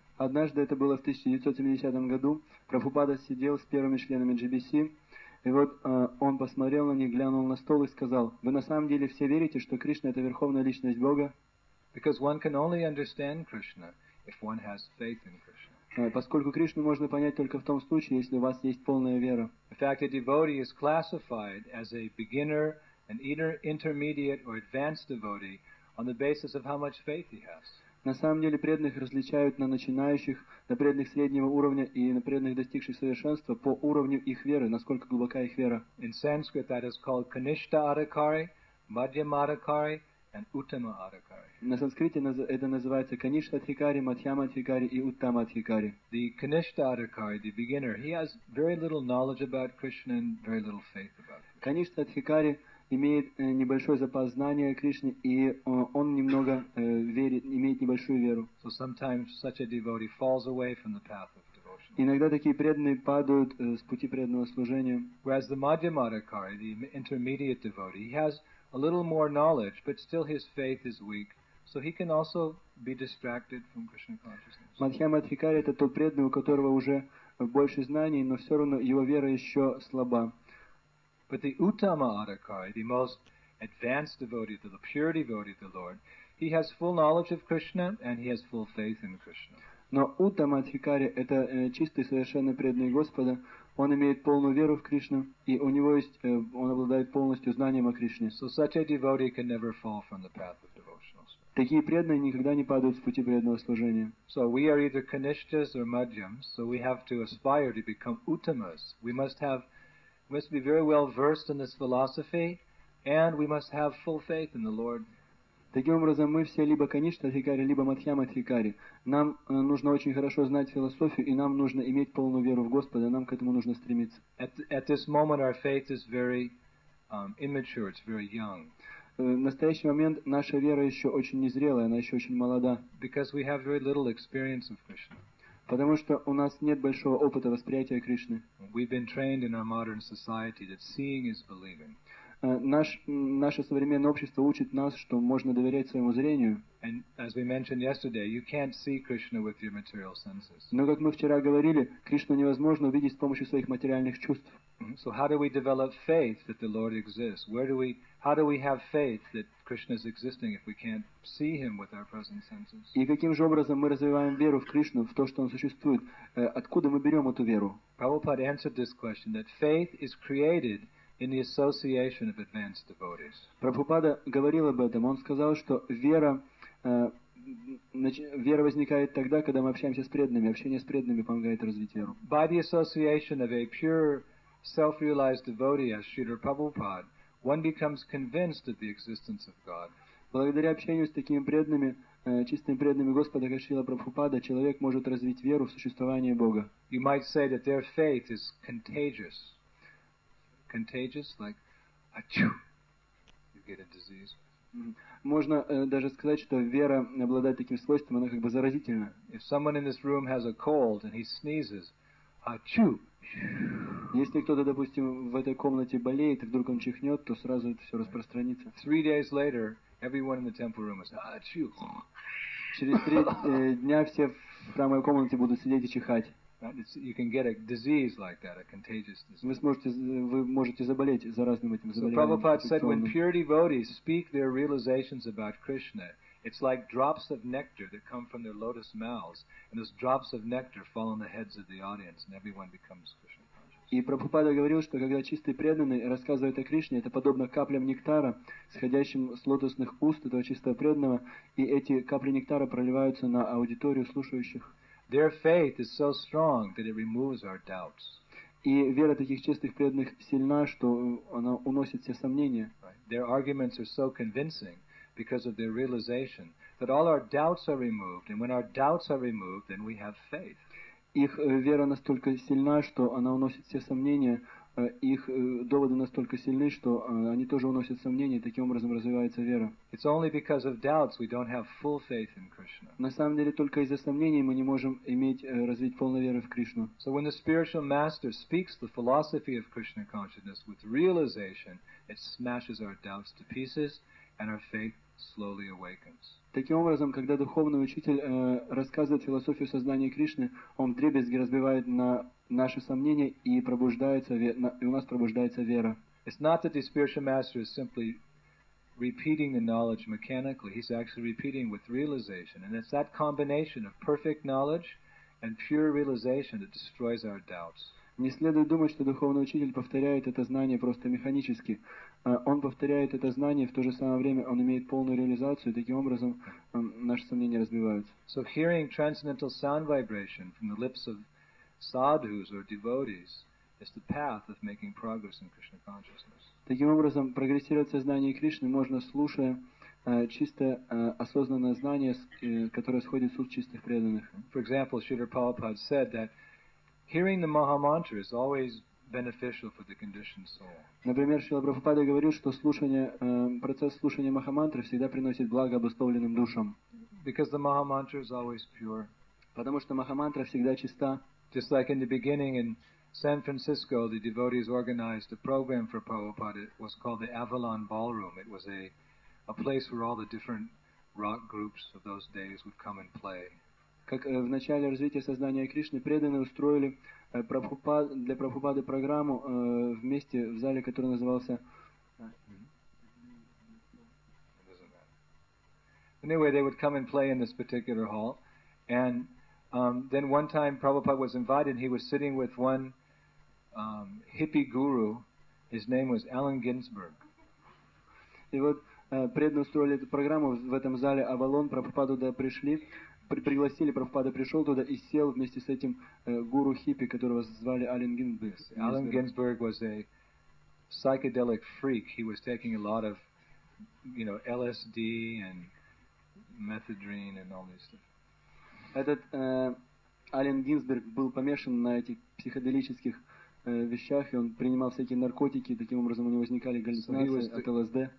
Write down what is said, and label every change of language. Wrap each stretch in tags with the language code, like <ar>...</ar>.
<ru>Однажды, это было в 1970 году, Прабхупада сидел с первыми членами GBC, И вот он посмотрел на них, глянул на стол и сказал: «Вы на самом деле все верите, что Кришна — это верховная личность Бога?»</ru> <en>Because one can only understand Krishna if one has faith in Krishna.</en> <ru>Поскольку Кришну можно понять только в том случае, если у вас есть полная вера.</ru> <en>In fact, a devotee is classified as a beginner, an intermediate or advanced devotee on the basis of how much faith he has.</en> <ru>На самом деле преданных различают на начинающих, на преданных среднего уровня и на преданных, достигших совершенства, по уровню их веры, насколько глубока их вера.</ru> <en>In Sanskrit that is called Kanishta Adhikari, Madhyama Adhikari and Uttama Adhikari.</en> <ru>На санскрите это называется Kanishta Adhikari, Madhyama Adhikari и Uttama Adhikari.</ru> <en>The Kanishta Adhikari, the beginner, he has very little knowledge about Krishna and very little faith about Krishna.</en> <ru>Kanishta Adhikari имеет небольшой запас знания о Кришне, и он немного верит, имеет небольшую веру.</ru> <en>So sometimes such a devotee falls away from the path of devotion.</en> <ru>Иногда такие преданные падают с пути преданного служения.</ru> <en>Whereas the Madhyama Adhikari, the intermediate devotee, he has a little more knowledge, but still his faith is weak, so he can also be distracted from Krishna consciousness.</en> <ru>Мадхьяма Адхикари — это тот преданный, у которого уже больше знаний, но все равно его вера еще слаба.</ru> <en>But the Uttama Adhikari, the most advanced devotee, the pure devotee of the Lord, he has full knowledge of Krishna and he has full faith in Krishna.</en> <ru>Но Uttama Adhikari — это чистый, совершенно преданный Господа. Он имеет полную веру в Кришну, и у него есть, он обладает полностью знанием о Кришне.</ru> <en>So such a devotee can never fall from the path of devotional service.</en> <ru>Такие преданные никогда не падают с пути преданного служения.</ru> <en>So we are either Kanishtas or Madhyams, so we have to aspire to become Uttamas. We must be very well versed in this philosophy, and we must have full faith in the Lord.</en> <ru>Таким образом, мы все либо Kanishta Adhikari, либо Madhyama Adhikari. Нам нужно очень хорошо знать философию, и нам нужно иметь полную веру в Господа. Нам к этому нужно стремиться.</ru> <en>At this moment, our faith is very immature. It's very young.</en> <ru>В настоящий момент наша вера еще очень незрелая, она еще очень молода.</ru> <en>Because we have very little experience of Krishna.</en> <ru>Потому что у нас нет большого опыта восприятия Кришны.</ru> <en>We've been trained in our modern society that seeing is believing.</en> <ru>Наше современное общество учит нас, что можно доверять своему зрению.</ru> <en>And as we mentioned yesterday, you can't see Krishna with your material senses.</en> <ru>Но как мы вчера говорили, Кришну невозможно увидеть с помощью своих материальных чувств.</ru> <en>So how do we develop faith that the Lord exists? How do we have faith that Krishna is existing if we can't see him with our present senses?</en> <ru>И каким же образом мы развиваем веру в Кришну, в то, что он существует? Откуда мы берем эту веру?</ru> <en>Prabhupada answered this question that faith is created in the association of advanced devotees.</en> <ru>Прабхупада говорил об этом. Он сказал, что вера возникает тогда, когда мы общаемся с преданными. Общение с преданными помогает развить веру.</ru> <en>By the association of a pure, self-realized devotee, as Śrīla Prabhupāda, one becomes convinced of the existence of God.</en> <ru>Благодаря общению с такими преданными, чистыми преданными Господа, как Шрила Прабхупада, человек может развить веру в существование Бога.</ru> <en>You might say that their faith is contagious. Contagious, like achoo, you get a disease.</en> <ru>Можно даже сказать, что вера обладает таким свойством, она как бы заразительна.</ru> <en>If someone in this room has a cold and he sneezes, achoo.</en> <ru>Если кто-то, допустим, в этой комнате болеет, и вдруг он чихнет, то сразу это все распространится.</ru> <en>Three days later, everyone in the temple room is achoo.</en> <ru>Через три дня все в храмовой комнате будут сидеть и чихать.</ru> <en>You can get a disease like that, a contagious disease.</en> <ru>Вы можете заболеть заразным этим заболеванием.</ru> <en>So Prabhupada said, when pure devotees speak their realizations about Krishna, it's like drops of nectar that come from their lotus mouths, and those drops of nectar fall on the heads of the audience, and everyone becomes Krishna conscious.</en> <ru>И Прабхупада говорил, что когда чистый преданный рассказывает о Кришне, это подобно каплям нектара, сходящим с лотосных уст этого чистого преданного, и эти капли нектара проливаются на аудиторию слушающих.</ru> <en>Their faith is so strong that it removes our doubts.</en> <ru>И вера таких честных преданных сильна, что она уносит все сомнения.</ru> <en>Their arguments are so convincing because of their realization that all our doubts are removed, and when our doubts are removed, then we have faith.</en> <ru>Их вера настолько сильна, что она уносит все сомнения. Их доводы настолько сильны, что они тоже уносят сомнения, и таким образом развивается вера.</ru> <en>It's only because of doubts we don't have full faith in Krishna.</en> <ru>На самом деле, только из-за сомнений мы не можем развить полную веру в Кришну.</ru> <en>So when the spiritual master speaks the philosophy of Krishna consciousness with realization, it smashes our doubts to pieces, and our faith slowly awakens.</en> <ru>Таким образом, когда духовный учитель рассказывает философию сознания Кришны, он вдребезги разбивает на наши сомнения и пробуждается и у нас пробуждается вера.</ru> <en>It's not that the spiritual master is simply repeating the knowledge mechanically. He's actually repeating with realization, and it's that combination of perfect knowledge and pure realization that destroys our doubts.</en> <ru>Не следует думать, что духовный учитель повторяет это знание просто механически. Он повторяет это знание, в то же самое время он имеет полную реализацию, и таким образом наши сомнения разбиваются.</ru> <en>So hearing transcendental sound vibration from the lips of sadhus or devotees is the path of making progress in Krishna consciousness.</en> <ru>Таким образом, прогрессировать в сознании Кришны можно, слушая чисто осознанное знание, которое сходит с уст чистых преданных.</ru> <en>For example, Śrīla Prabhupāda said that hearing the Maha Mantra is always beneficial for the conditioned soul.</en> <ru>Например, Шрила Прабхупада говорит, что слушание, процесс слушания Маха Мантры всегда приносит благо обусловленным душам.</ru> <en>Because the Maha Mantra is always pure.</en> <ru>Потому что Маха Мантра всегда чиста.</ru> <en>Just like in the beginning in San Francisco, the devotees organized a program for Prabhupada. It was called the Avalon Ballroom. It was a place where all the different rock groups of those days would come and play.</en> <ru>Как в начале развития сознания Кришны преданные устроили для Прабхупады программу вместе в зале, который назывался.</ru> <en>Anyway, they would come and play in this particular hall, and then one time Prabhupada was invited. He was sitting with one hippie guru. His name was Allen Ginsberg.</en> <ru>И вот преданные устроили эту программу в этом зале Авалон. Прабхупаду туда пришли. Пригласили, Прабхупада пришел туда и сел вместе с этим гуру-хиппи, которого звали Аллен Гинсберг.</ru> <en>Аллен Гинсберг was a psychedelic freak. He was taking a lot of, you know, LSD and methadrine and all these things.</en> <ru>Этот Аллен Гинсберг был помешан на этих психоделических вещах, и он принимал всякие наркотики, и таким образом у него возникали галлюцинации от LSD.</ru>